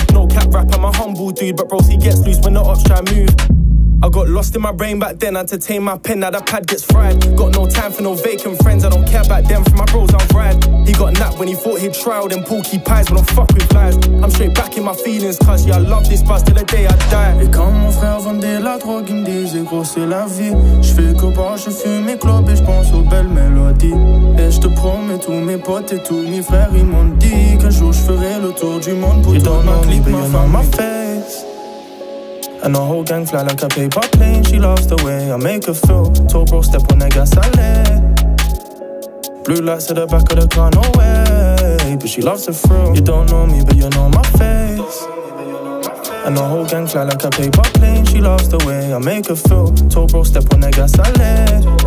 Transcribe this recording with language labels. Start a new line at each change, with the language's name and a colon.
English: No cap rap, I'm a humble dude, but bros, he gets loose when the ops try move. I got lost in my brain back then, I had to tame my pen, now the pad gets fried. Got no time for no vacant friends, I don't care about them, for my bros I'll ride. He got napped when he thought he'd try all them porky pies, but don't fuck with lies. I'm straight back in my feelings, cause yeah, I love this bus till the day I die.
French: Et quand mon frère vendait la drogue, il me disait gros c'est la vie. J'fais que boire, je fume et clope et j'pense aux belles mélodies. Et j'te promets tous mes potes et tous mes frères, ils m'ont dit qu'un jour j'ferai le tour du monde pour tout ma clip, ma femme, ma face.
English: And the whole gang fly like a paper plane. She loves the way I make her feel. Told bro, step on that gas, I lit. Blue lights at the back of the car, no way. But she loves the thrill. You don't know me, but you know my face. And the whole gang fly like a paper plane. She loves the way I make her feel. Told bro, step on that gas, I lit.